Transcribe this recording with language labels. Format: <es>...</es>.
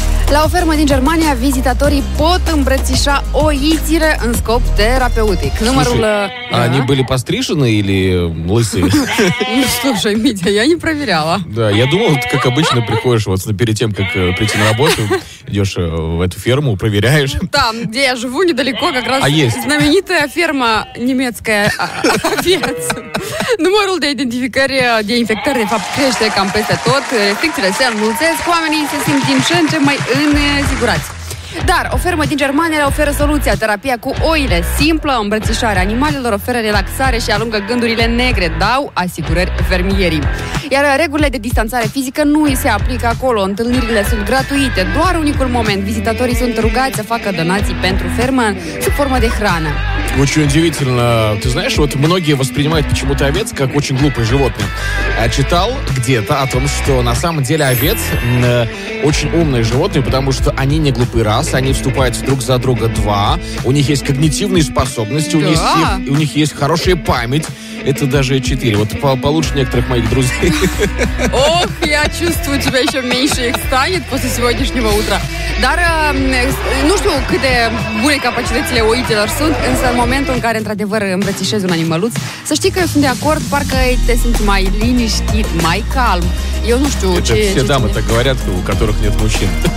<ro>La o fermă din Germania, vizitatorii pot îmbrățișa o itire în scop terapeutic. Numărul...</ro> <ru>Они были пострижены или лысые? Ну, слушай, Митя, я не проверяла. Да, я думал, как обычно, приходишь вот перед тем, как прийти на работу, идешь в эту ферму, проверяешь. Там, где я живу, недалеко, как раз знаменитая ферма немецкая овец.</ru> <ro>Numărul de identificare de infectări, de fapt, crește cam peste tot. Restricțiile se înmulțesc, oamenii se simt din ce în ce mai însigurați. Dar o fermă din Germania le oferă soluția, terapia cu oile. Simplă îmbrățișare animalelor oferă relaxare și alungă gândurile negre, dau asigurări fermierii. Iar regulile de distanțare fizică nu îi se aplică acolo, întâlnirile sunt gratuite. Doar unicul moment, vizitatorii sunt rugați să facă donații pentru fermă sub formă de hrană.</ro> <ru>Очень удивительно. Ты знаешь, вот многие воспринимают почему-то овец как очень глупое животное. Я читал где-то о том, что на самом деле овец очень умное животное, потому что они не глупые раз, они вступают друг за друга два, у них есть когнитивные способности, да. у них есть хорошая память. Это даже четыре. Вот получше некоторых моих друзей. Ох, я чувствую, тебя еще меньше их станет после сегодняшнего утра.</ru> <ro>Dar nu știu cât de bune capacitățile oitelor sunt, însă în momentul în care într-adevăr îmbrățișezi un animăluț, să știi că eu sunt de acord, parcă te simți mai liniștit, mai calm. Eu nu știu ce...</ro> <ru>Это все дамы так говорят, у которых нет мужчин.</ru>